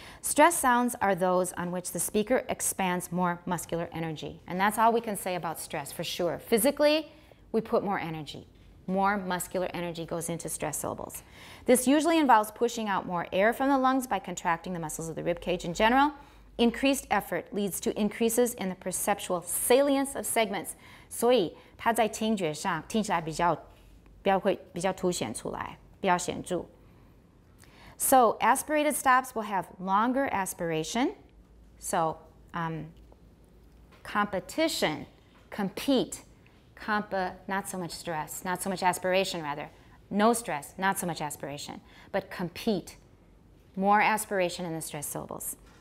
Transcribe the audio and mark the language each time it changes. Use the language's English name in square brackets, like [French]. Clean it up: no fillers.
[English] Stress sounds are those on which the speaker expands more muscular energy. And that's all we can say about stress for sure. Physically, we put more energy. more muscular energy goes into stress syllables. This usually involves pushing out more air from the lungs by contracting the muscles of the rib cage in general. Increased effort leads to increases in the perceptual salience of segments. [Chinese] 所以它在听觉上听起来比较凸显出来，比较显著。 [English] So aspirated stops will have longer aspiration. So competition, compete, not so much stress, not so much aspiration rather. No stress, not so much aspiration, but compete. More aspiration in the stress syllables.